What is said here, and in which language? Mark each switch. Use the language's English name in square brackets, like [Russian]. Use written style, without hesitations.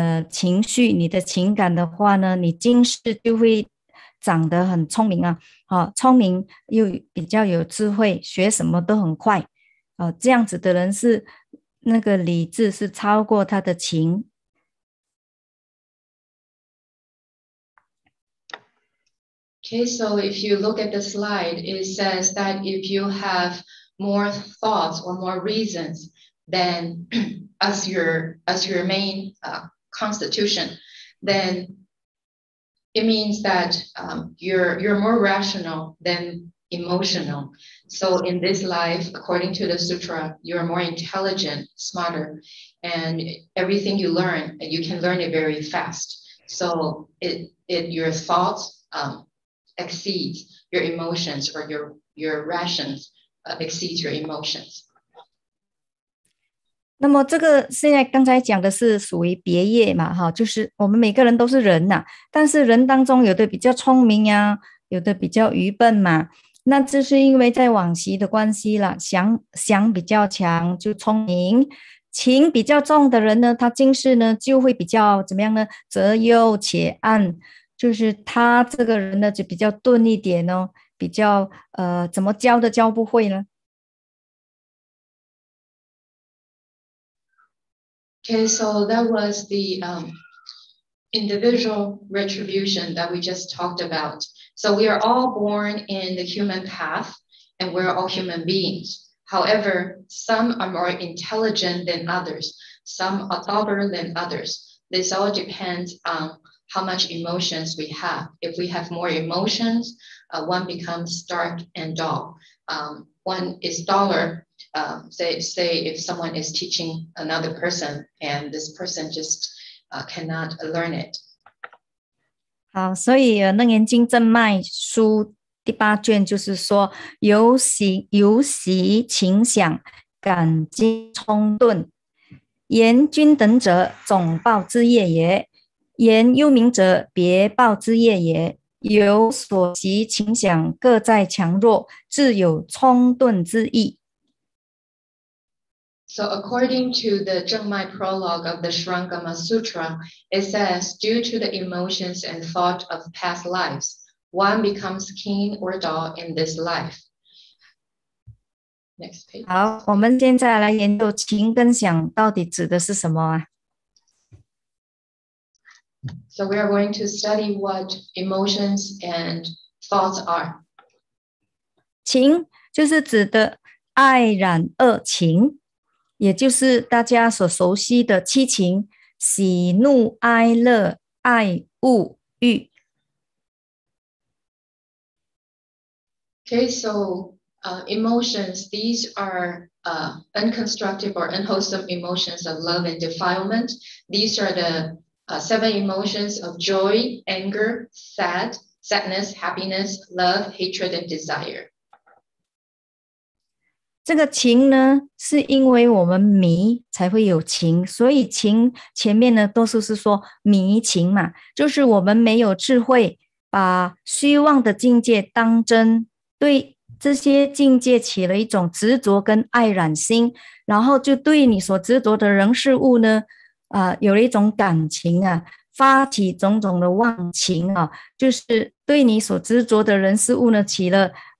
[Chinese] 情绪，你的情感的话呢，你今世就会长得很聪明啊，好，聪明又比较有智慧，学什么都很快。这样子的人是那个理智是超过他的情。 [English] Okay, so if you look at the slide, it says that if you have more thoughts or more reasons than as your main constitution, then it means that you're more rational than emotional. So in this life, according to the sutra, you are more intelligent, smarter, and everything you learn, you can learn it very fast. So it your thoughts exceeds your emotions, or your rations exceeds your emotions. [Chinese] 那么这个现在刚才讲的是属于别业嘛，哈，就是我们每个人都是人呐，但是人当中有的比较聪明呀，有的比较愚笨嘛。那这是因为在往昔的关系了，想比较强就聪明，情比较重的人呢，他今世呢就会比较怎么样呢？择优且暗，就是他这个人呢就比较钝一点哦，比较怎么教都教不会呢。 [English] Okay, so that was the individual retribution that we just talked about. So we are all born in the human path, and we're all human beings. However, some are more intelligent than others. Some are dumber than others. This all depends on how much emotions we have. If we have more emotions, one becomes dark and dull. One is duller. Say if someone is teaching another person, and this person just cannot learn it. [Chinese] 好，所以《楞严经正脉》书第八卷就是说，由习情想，感激冲顿，言君等者，总报之业也；言幽冥者，别报之业也。由所习情想，各在强弱，自有冲顿之意。 [English] So according to the Zhengmai prologue of the Sharangama Sutra, it says due to the emotions and thought of past lives, one becomes keen or dull in this life. Next page. [Chinese] 好，我们现在来研究情跟想到底指的是什么啊。 [English] So we are going to study what emotions and thoughts are. [Chinese] 情就是指的爱染恶情。也就是大家所熟悉的七情，喜怒哀乐爱恶欲。 [English] Okay, so emotions, these are unconstructive or unwholesome emotions of love and defilement. These are the seven emotions of joy, anger, sadness, happiness, love, hatred, and desire. [Chinese] 这个情呢，是因为我们迷才会有情，所以情前面呢，多数是说迷情嘛，就是我们没有智慧，把虚妄的境界当真，对这些境界起了一种执着跟爱染心，然后就对你所执着的人事物呢，有了一种感情啊，发起种种的妄情啊，就是对你所执着的人事物呢，起了